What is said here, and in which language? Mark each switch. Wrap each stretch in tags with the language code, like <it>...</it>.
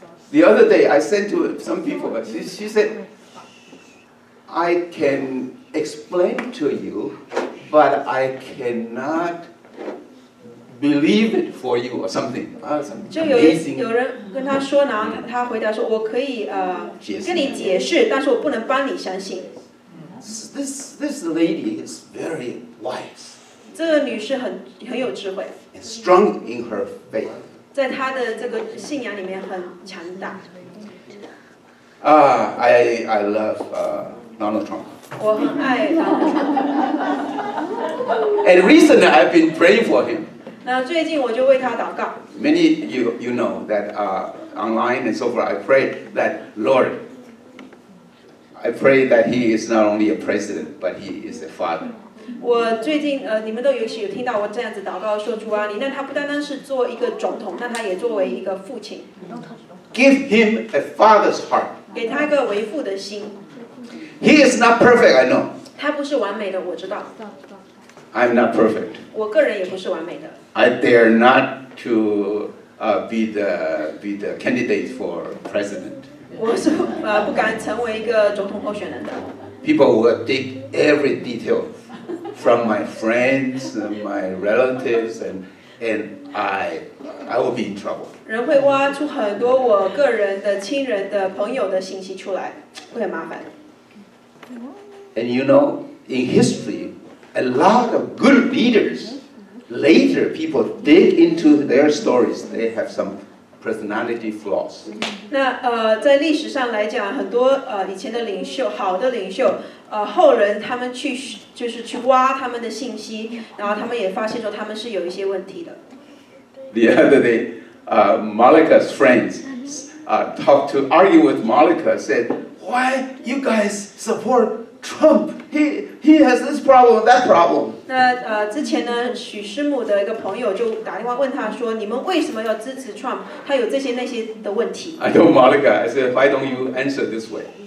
<en>The other day, I sent to some people. She said, "I can explain to you, but I cannot believe it for you, or something." Amazing.</en> <zh>有人跟他说呢，他回答说，我可以跟你解释，但是我不能帮你相信。</zh> <en>This lady is very wise.</en> <zh>这个女士很有智慧。</zh> <en>And strong in her faith.</en> <zh>在他的这个信仰里面很强大。</zh> <en>I love Donald Trump.</en> <zh>我很爱 Donald Trump.</zh> <en>And recently I've been praying for him.</en> <zh>那最近我就为他祷告。</zh> <en>Many you know that online and so forth. I pray that Lord. I pray that he is not only a president, but he is a father.</en> <zh>我最近你们都也许有听到我这样子祷告说主啊，你让他不单单是做一个总统，但他也作为一个父亲。</zh> <en>Give him a father's heart.</en> <zh>给他一个为父的心。</zh> <en>He is not perfect, I know.</en> <zh>他不是完美的，我知道。</zh> <en>I'm not perfect.</en> <zh>我个人也不是完美的。</zh> <en>I dare not to be the candidate for president.</en> <zh>我是不敢成为一个总统候选人的。</zh> <en>People will dig every detail. From my friends, my relatives, and I will be in trouble.</en> <zh>人会挖出很多我个人的亲人的朋友的信息出来，会很麻烦。</zh> <en>And you know, in history, a lot of good leaders, later people dig into their stories. They have some personality flaws.</en> <zh>那在历史上来讲，很多以前的领袖，好的领袖。后人他们去就是去挖他们的信息，然后他们也发现说他们是有一些问题的。</zh> <en>The other day, Malika's friends argue with Malika, said, "Why you guys support Trump? He has this problem, that problem."</en> <zh>那之前呢，许师母的一个朋友就打电话问他说，你们为什么要支持 Trump? 他有这些那些的问题。</zh> <en>I told Malika, I said, "Why don't you answer this way?"</en>